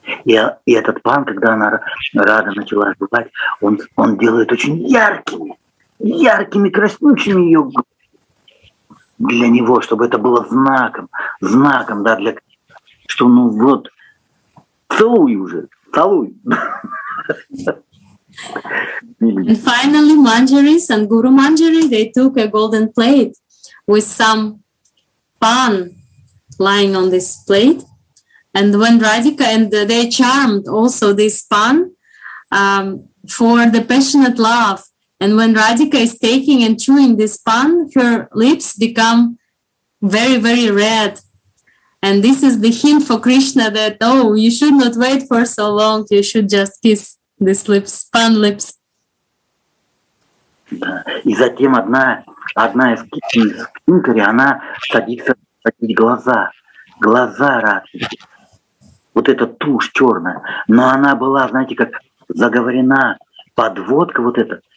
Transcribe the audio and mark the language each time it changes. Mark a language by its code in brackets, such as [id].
[ru] И этот пан, когда она рада начала ждать, он делает очень яркими, краснючими ее губы. Для него, чтобы это было знаком, да, для что, ну вот, целуй. [en] And finally, Manjaris and Guru Manjari, they took a golden plate with some pan lying on this plate. And when Radhika, and they charmed also this pan for the passionate love. And when Radhika is taking and chewing this pan, her lips become very, very red. And this is the hint for Krishna that, oh, you should not wait for so long. You should just kiss these lips, pan lips. [ru] И затем одна из кинкари, она садится в глаза Радхи. Вот эта тушь черная. Но она была, знаете, как заговорена, подводка вот эта.